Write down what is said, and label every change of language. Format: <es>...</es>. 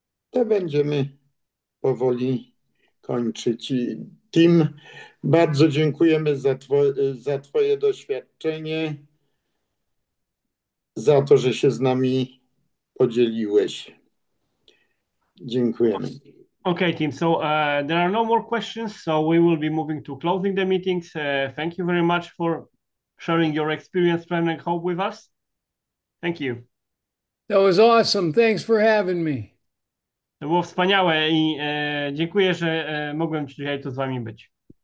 <pl>to będziemy powoli kończyć. Tim, bardzo dziękujemy za twoje doświadczenie, za to, że się z nami podzieliłeś. Dziękujemy.</pl> <en>Okay, team. So there are no more questions, so we will be moving to closing the meetings. Thank you very much for sharing your experience, plan, and hope with us. Thank you. That was awesome. Thanks for having me.</en> <pl>To było wspaniałe i dziękuję, że mogłem dzisiaj tu z wami być.</pl>